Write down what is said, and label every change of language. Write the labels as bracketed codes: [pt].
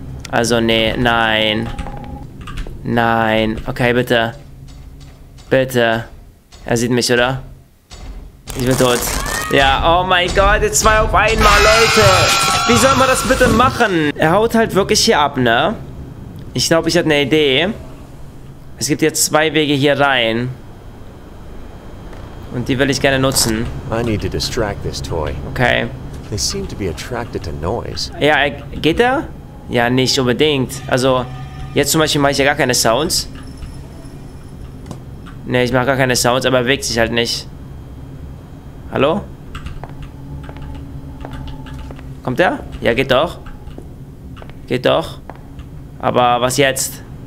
[de] Also, nee, nein. Nein. Okay, bitte. Bitte. Er sieht mich, oder? Ich bin tot. Ja, oh mein Gott, jetzt zwei auf einmal, Leute. Wie soll man das bitte machen? Er haut halt wirklich hier ab, ne? Ich glaube, ich hatte eine Idee. Es gibt jetzt zwei Wege hier rein. Und die will ich gerne nutzen. [en] I need to distract this toy. Okay. They seem to be attracted to noise. [de] Ja, geht er? Ja, nicht unbedingt. Also, jetzt zum Beispiel mache ich ja gar keine Sounds. Ne, ich mache gar keine Sounds, aber er bewegt sich halt nicht. Hallo? Kommt er? Ja, geht doch. Geht doch. Aber was jetzt?